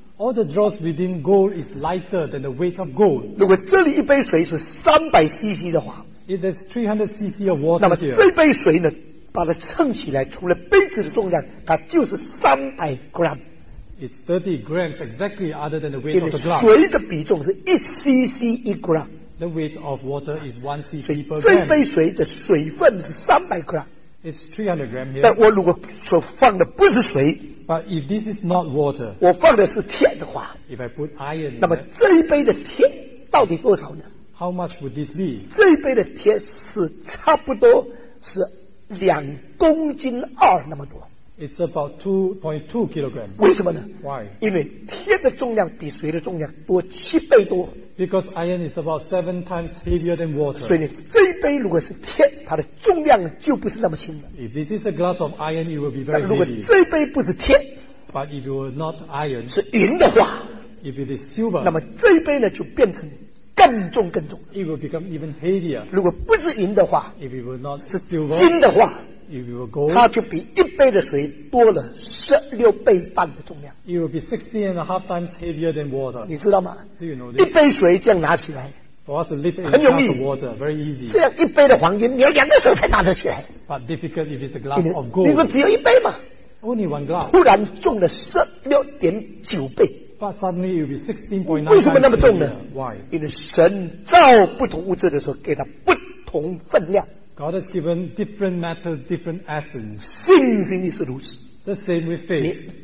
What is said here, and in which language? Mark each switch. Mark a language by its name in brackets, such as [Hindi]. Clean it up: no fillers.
[English] all the dross within gold is lighter than the weight of gold. [Chinese] 如果这里一杯水是300cc的话, [English] if there's 300cc of water, [Chinese] 那么这杯水呢, 把它称起来, 除了杯子的重量, 它就是300g. [English] It's 30 grams exactly, other than the weight of the glass. [Chinese] 水的比重是1cc1g. [English] The weight of water is 1cc per gram. [Chinese] 这杯水的水分是300g. [English] It's 300 grams here. [Chinese] 但我如果所放的不是水, [English] but if this is not water, [Chinese] 我放的是铁的话, [English] if I put iron, [Chinese] 那么这一杯的铁到底多少呢? [English] How much would this be? [Chinese] 这一杯的铁是差不多是 2公斤2那么多, [English] it's about 2.2 kilograms. [Chinese] 为什么呢? [English] Why? [Chinese] 因为铁的重量比水的重量多7倍多, [English] because iron is about 7 times heavier than water. [Chinese] 所以这一杯如果是铁, 它的重量就不是那么轻的, [English] if this is a glass of iron, it will be very heavy. [Chinese] 如果这一杯不是铁, [English] but if it were not iron, [Chinese] 是银的话, [English] if it is silver, [Chinese] 那么这一杯呢就变成 更重, [English] it will become even heavier. [Chinese] 如果不是银的话, [English] if it were not silver, [Chinese] 是金的话, [English] if it were gold, [Chinese] 它就比一杯的水多了16倍半的重量, [English] it will be 16.5 times heavier than water. [Chinese] 你知道吗? [English] Do you know this? [Chinese] 一杯水这样拿起来, [English] for us to lift a glass of water, very easy. [Chinese] 这样一杯的黄金, 你要两个手才拿得起来, [English] but difficult if it's a glass of gold. [Chinese] 你说只有一杯吗? [English] Only one glass. [Chinese] 突然重了16.9倍, [English] but suddenly it will be 16.9 times. Why? God has given different matter, different essence. The same with faith.